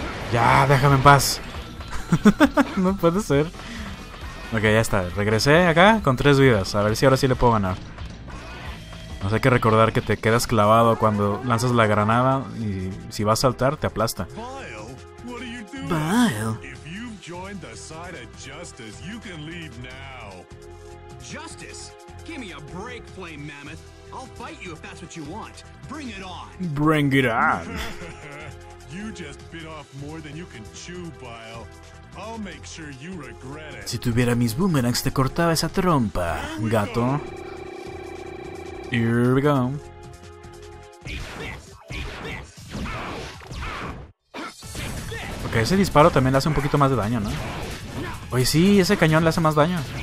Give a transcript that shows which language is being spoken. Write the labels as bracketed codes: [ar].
[es] Ya, déjame en paz. No puede ser. Ok, ya está. Regresé acá con 3 vidas. A ver si ahora sí le puedo ganar. Nos hay que recordar que te quedas clavado cuando lanzas la granada y si vas a saltar, te aplasta. Vile. [en] If you've joined the side of justice, you can leave now. Justice? Give me a break, Flame Mammoth. I'll fight you if that's what you want. Bring it on. Bring it on. You just bit off more than you can chew, Vile. I'll make sure you regret it. [es] Si tuviera mis boomerangs, te cortaba esa trompa, gato. [en] Here we go. [es] Ok, ese disparo también le hace un poquito más de daño, ¿no? Oye, sí, ese cañón le hace más daño.